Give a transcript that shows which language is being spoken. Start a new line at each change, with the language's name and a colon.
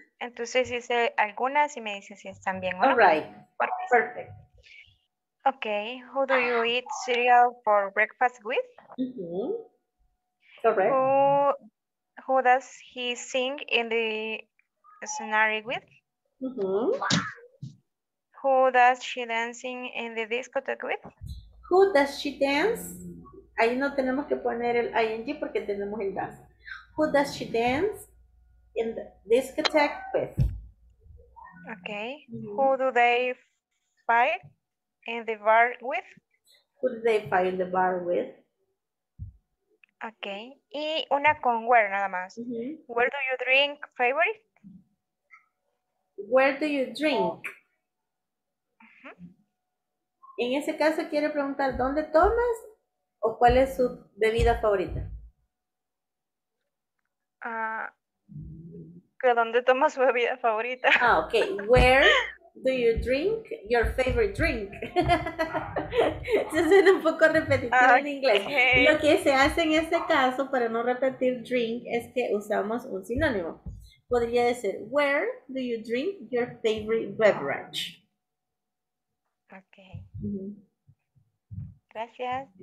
Spanish: Entonces hice algunas y me dice si están bien o no.
English: All right. Perfect. Okay. Who do you eat cereal for breakfast with? Mm-hmm. Correct. Who does he sing in the scenario with? Mm-hmm. Who does she dancing in the discotheque with? Who does she dance?
Spanish: Ahí no tenemos que poner el ing porque tenemos el dance.
English: Who does she dance in the discotheque with? Okay. Mm-hmm. Who do they fight in the bar with? Who do they fight in the bar with?
Spanish: Ok, y una con where nada más. Uh-huh.
English: Where do you drink favorite? Where do you drink? Uh-huh.
Spanish: En ese caso quiere preguntar, ¿dónde tomas o cuál es su bebida favorita? Que ¿dónde tomas su bebida favorita?
English: Ah, ok, where do you drink your favorite drink?
Spanish: Se suena un poco repetitivo en inglés. Okay. Lo que se hace en este caso para no repetir drink es que usamos un sinónimo. Podría decir,
English: where do you drink your favorite beverage?
Spanish: Ok. Mm-hmm. Gracias.